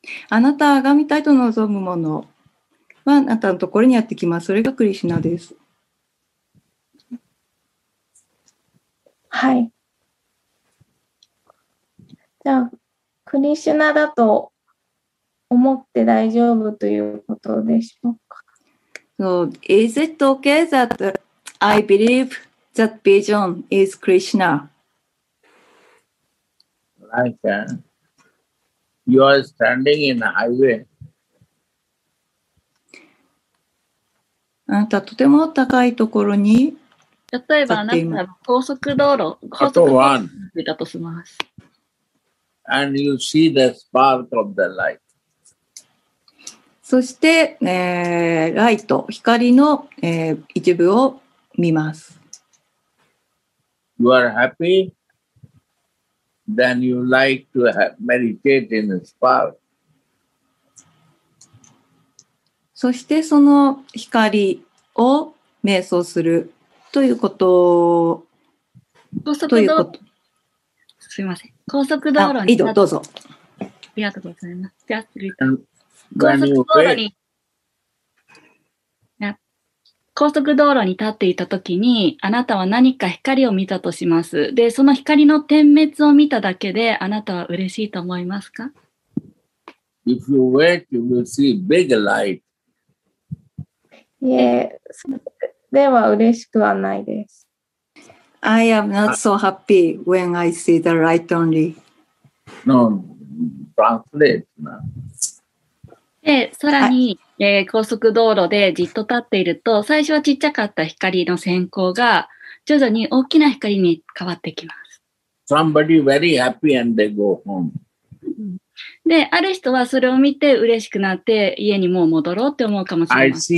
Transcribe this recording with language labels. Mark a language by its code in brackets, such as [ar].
[ja] あなたが見たいと望むものはあなたのところにやってきます。それがクリシュナです。はい。じゃあ、クリシュナだと思って大丈夫ということでしょうか。 [en] So, is it okay that I believe that vision is Krishna? Like, you are standing in a highway. [ja] あなたとても高いところに立っています。例えばあなたは高速道路、高速道路だとします。 [en] And you see the spark of the light. [ja] そして、ライト、光の、一部を見ます。 [en] You are happy, then you like to meditate in the spark. [ja] そしてその光を瞑想するということ。高速道路。ということ。すみません。高速道路に。あ、いいぞ、どうぞ。ありがとうございます。じゃあ、次。高速道路に立っていたときに、あなたは何か光を見たとします。で、その光の点滅を見ただけで、あなたは嬉しいと思いますか？ [en] If you wait, you will see big light. [ja] Yeah, では嬉しくはないです。 [en] I am not so happy when I see the light only. No, translate now. [ja] で、さらに、はい、高速道路でじっと立っていると、最初はちっちゃかった光の閃光が、徐々に大きな光に変わってきます。 [en] Somebody very happy and they go home. [ja] で、ある人はそれを見て嬉しくなって、家にもう戻ろうって思うかもしれません。